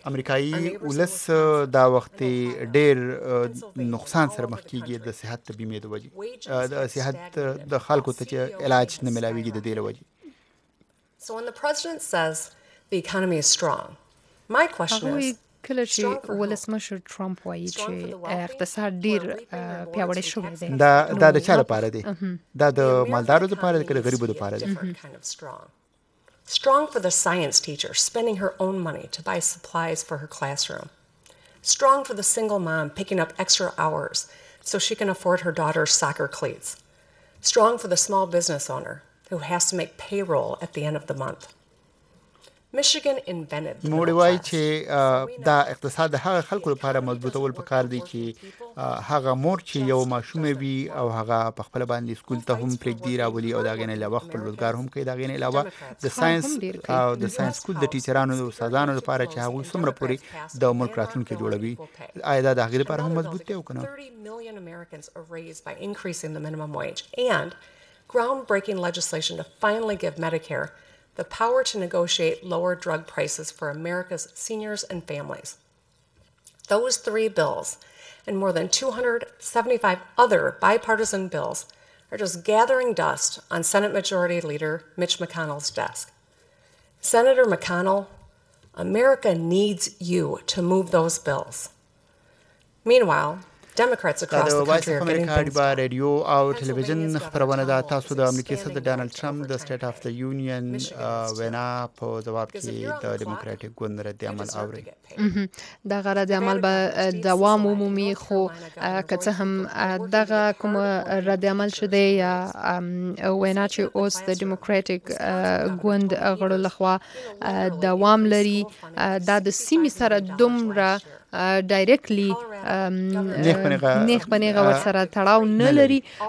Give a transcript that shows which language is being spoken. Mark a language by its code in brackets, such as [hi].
[ps] امریکایی ولس دا وخت ډیر نقصان سره مخ کیږي د صحت بیمې د وجې د صحت د خلکو ته علاج نه ملاويږي د دې وجې. [en] So when the president says the economy is strong, my question is [ps] کله چې ولس مشر ترامپ وایي چې اقتصاد ډیر پیاوړی شو دی دا د چا لپاره دی؟ دا د مالدارو لپاره دی که د غریبو لپاره دی؟ [en] Strong for the science teacher spending her own money to buy supplies for her classroom. Strong for the single mom picking up extra hours so she can afford her daughter's soccer cleats. Strong for the small business owner who has to make payroll at the end of the month. Michigan invented the [ps] موړی وای چې دا اقتصاد هغه خلکو لپاره مضبوطول پکار دی چې هغه مور چې یو ماشوم وي او هغه په خپل باندې سکول ته هم پرېږدي راولي او دا غنې علاوه خپل روزګار هم کوي. دا غنې علاوه د ساينس او د ساينس سکول د ټیچرانو او استادانو لپاره چې هغه سمره پوری د ملک راتلونکي جوړوي آیا دا د هغه لپاره هم مضبوط دی او کنه؟ [en] 30 million Americans are raised by increasing the minimum wage and groundbreaking legislation to finally give Medicare the power to negotiate lower drug prices for America's seniors and families. Those three bills and more than 275 other bipartisan bills are just gathering dust on Senate Majority Leader Mitch McConnell's desk. Senator McConnell, America needs you to move those bills. Meanwhile, Democrats across the country are getting things done. The radio and television [ps] خبرونه دا تاسو د امریکای صدر ډانل ترامپ د سټیټ اف د یونین وینا په جواب کې د ډیموکراټیک ګوند رد عمل اوري. دغه رد عمل به دوام عمومي خو که څه هم دغه کوم رد عمل شته یا وینا چې اوس د ډیموکراټیک ګوند غړو لخوا دوام لري دا د سیمې سره دومره ډایرکټلی نیخ پنیغه ورسره تړاو نه لري.